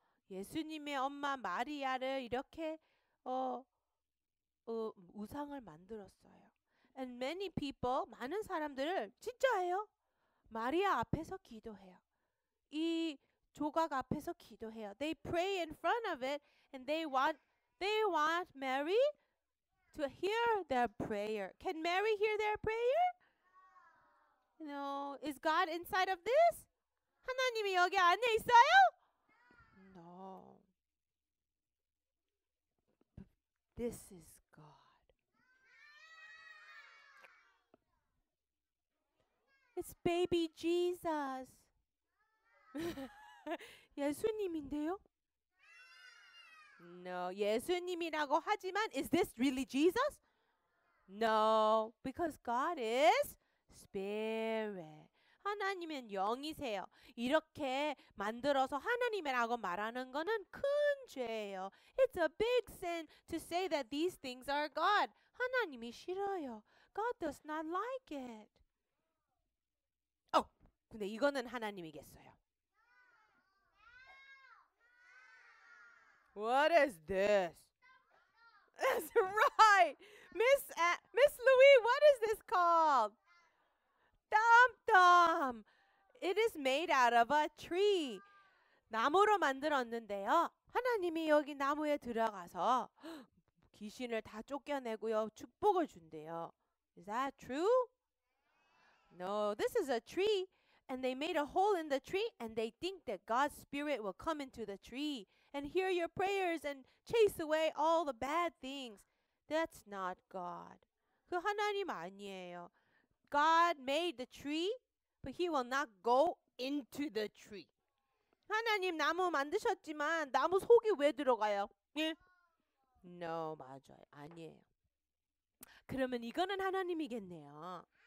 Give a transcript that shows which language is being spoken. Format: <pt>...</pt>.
<ko>예수님의 엄마 마리아를 이렇게 우상을 만들었어요.</ko> <en>And many people,</en> <ko>많은 사람들을 진짜예요. 마리아 앞에서 기도해요. 이 조각 앞에서 기도해요.</ko> <en>They pray in front of it and they want Mary to hear their prayer. Can Mary hear their prayer? No. Is God inside of this?</en> <ko>하나님이 여기 안에 있어요?</ko> <en>No. This is It's baby Jesus.</en> <ko>예수님인데요?</ko> <en>No,</en> <ko>예수님이라고 하지만</ko> <en>is this really Jesus? No, because God is spirit.</en> <ko>하나님은 영이세요. 이렇게 만들어서 하나님이라고 말하는 거는 큰 죄예요.</ko> <en>It's a big sin to say that these things are God.</en> <ko>하나님이 싫어요.</ko> <en>God does not like it.</en> <ko>근데 이거는 하나님이겠어요.</ko> <en>What is this? That's right. Miss Louis, what is this called? Dum-dum. It is made out of a tree.</en> <ko>나무로 만들었는데요. 하나님이 여기 나무에 들어가서 귀신을 다 쫓겨내고요. 축복을 준대요.</ko> <en>Is that true? No, this is a tree. And they made a hole in the tree, and they think that God's spirit will come into the tree and hear your prayers and chase away all the bad things. That's not God.</en> <ko>그 하나님 아니에요.</ko> <en>God made the tree, but he will not go into the tree.</en> <ko>하나님 나무 만드셨지만 나무 속에 왜 들어가요? 예?</ko> <en>No,</en> <ko>맞아요. 아니에요. 그러면 이거는 하나님이겠네요.</ko>